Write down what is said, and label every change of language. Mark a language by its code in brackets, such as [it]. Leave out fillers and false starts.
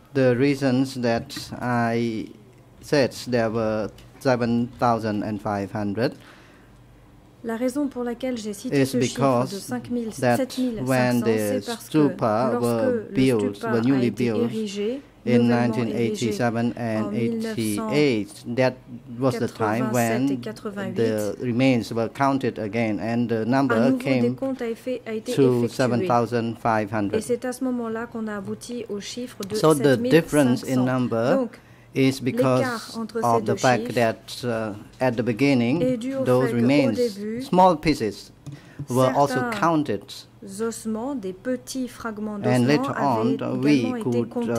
[en] The reasons that I said there were 7,500. [fr] La raison pour laquelle j'ai cité ce chiffre de 7,500, c'est parce que lorsque le stupa a été érigé [en] in 1987 and 1988, that was the time when the remains were counted again and the number came to 7,500. [fr] Et c'est à ce moment-là qu'on a abouti au chiffre de 7,500. [en] So the difference in number is because of the fact that at the beginning, those remains, [fr] début, [en] small pieces, were also counted. [fr] Ossements, des petits fragments d'ossements [en] and later on, we could